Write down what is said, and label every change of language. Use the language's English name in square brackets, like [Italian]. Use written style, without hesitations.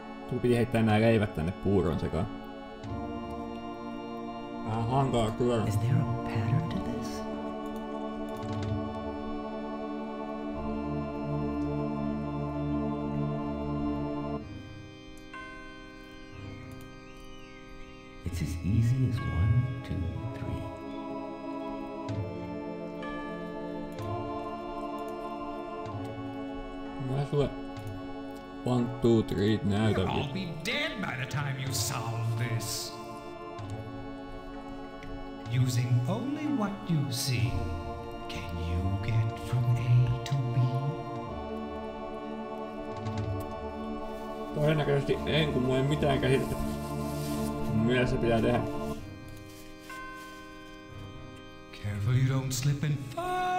[Finnish] Tuu piti heittää nää leivät tänne puuron sekaan. hankaa kyllä. [English] Is there a pattern to this? It's as easy as 1, 2, 3. [Finnish] Mä sulle 1, 2, 3 näytä. [English] I'll be dead by the time you solve this. Using only what you see, can you get from A to B? [Finnish] Todennäköisesti en, kun mulla ei mitään käsitettä. Mitä se pitää tehdä? [English] Careful you don't slip and fall!